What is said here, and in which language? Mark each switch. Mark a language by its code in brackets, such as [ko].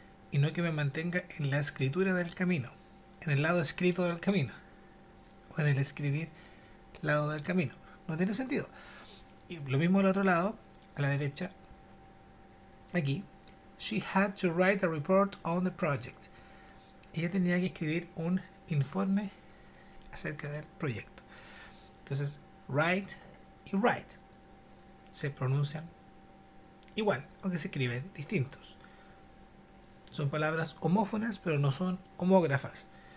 [es] Y no que me mantenga en la escritura del camino, en el lado escrito del camino, o en el escribir lado del camino. No tiene sentido. Y lo mismo al otro lado, a la derecha, aquí. [en] She had to write a report on the project. [es] Ella tenía que escribir un informe acerca del proyecto. Entonces, write y write se pronuncian igual, aunque se escriben distintos. Son palabras homófonas, pero no son homógrafas.